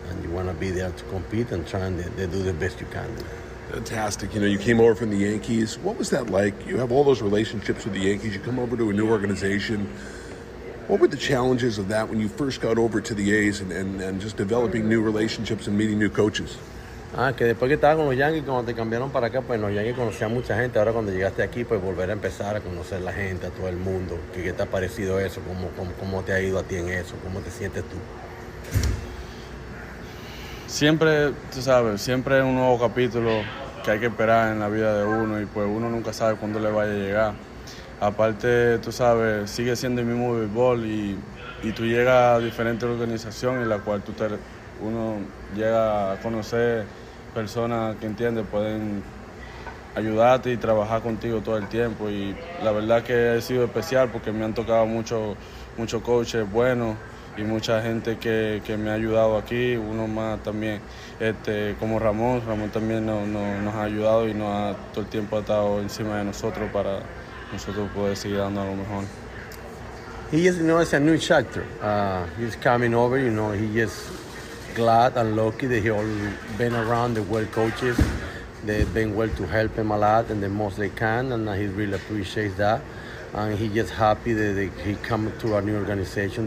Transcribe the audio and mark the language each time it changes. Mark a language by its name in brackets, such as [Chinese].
[English] And you want to be there to compete and try and they do the best you can. Fantastic. You know, you came over from the Yankees. What was that like? You have all those relationships with the Yankees. You come over to a new organization. What were the challenges of that when you first got over to the A's and just developing new relationships and meeting new coaches? [Spanish] Que después que estaba con los Yankees, cuando te cambiaron para acá, pues los Yankees conocían mucha gente. Ahora cuando llegaste aquí, pues volver a empezar a conocer la gente, a todo el mundo. ¿Qué te ha parecido eso? ¿Cómo te ha ido a ti en eso? ¿Cómo te sientes tú? Siempre, tú sabes, siempre es un nuevo capítulo que hay que esperar en la vida de uno y pues uno nunca sabe cuándo le vaya a llegar. Aparte, tú sabes, sigue siendo el mismo béisbol y tú llegas a diferentes organizaciones en las cuales uno llega a conocer personas que entiende, pueden ayudarte y trabajar contigo todo el tiempo. Y la verdad que ha sido especial porque me han tocado mucho coaches buenos y mucha gente que me ha ayudado aquí, uno más también, como Ramón también nos ha ayudado y nos ha todo el tiempo ha estado encima de nosotros para nosotros poder seguir dando lo mejor. [English] He is, you know, it's a new chapter. He's coming over, you know, he is glad and lucky that he all been around the world coaches. They've been well to help him a lot and the most they can, and he really appreciates that. And he just happy that he come to a new organization.